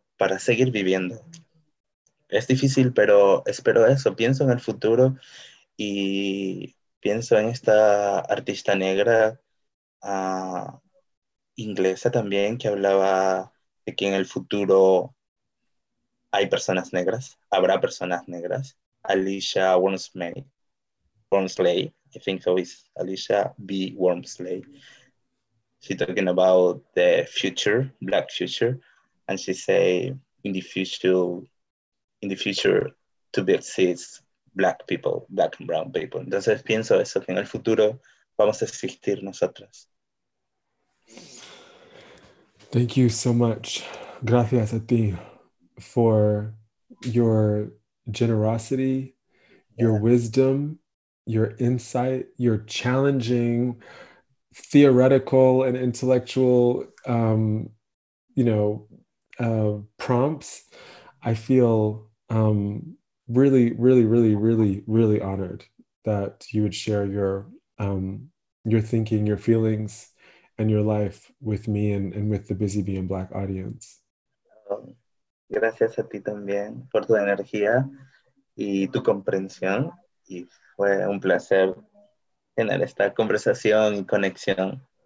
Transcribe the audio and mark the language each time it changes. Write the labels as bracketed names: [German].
[Spanish] para seguir viviendo. Es difícil, pero espero eso. Pienso en el futuro y pienso en esta artista negra, inglesa también, que hablaba de que en el futuro hay personas negras, habrá personas negras. [English] Alicia Wormsley, I think so, is Alicia B. Wormsley. She's talking about the future, black future, and she say in the future to be exist black people, black and brown people. [Spanish] Entonces pienso eso, que en el futuro vamos a existir nosotras. [English] Thank you so much. [Spanish] Gracias a ti [English] for your generosity, your wisdom, your insight, your challenging theoretical and intellectual prompts. I feel really, really, really, really, really honored that you would share your thinking, your feelings, and your life with me and with the Busy Being Black audience. [Spanish] Gracias a ti también por tu energía y tu comprensión. Y fue un placer tener esta conversación y conexión.